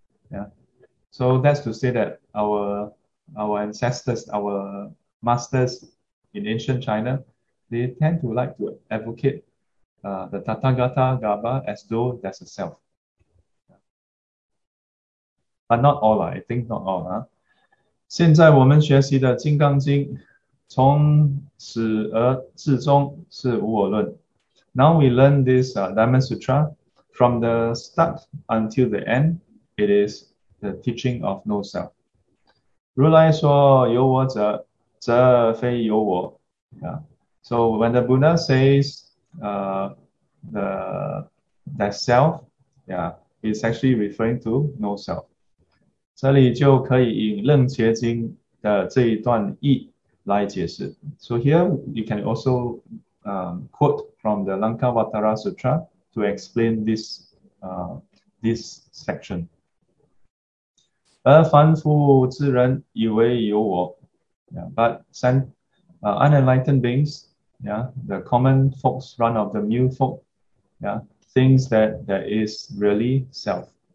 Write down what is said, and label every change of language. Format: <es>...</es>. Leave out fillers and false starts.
<en>Yeah, so that's to say that our ancestors, our masters in ancient China, they tend to like to advocate the Tathagatagarbha as though there's a self. But not all, I think not all.</en> <zh>现在我们学习的《金刚经》，从始而至终是无我论。</zh> <en>Now we learn this Diamond Sutra from the start until the end. It is the teaching of no self. 如来说有我者，则非有我。 Yeah. So when the Buddha says the self, yeah, it's actually referring to no self.</en> <zh>这里就可以引《楞伽经》的这一段意来解释。</zh> <en>So here you can also quote from the Lankavatara Sutra to explain this section。而凡夫之人以为有我， yeah，but unenlightened beings，yeah，the common folks, run-of-the-mill folk，yeah, thinks that there is really self。</en>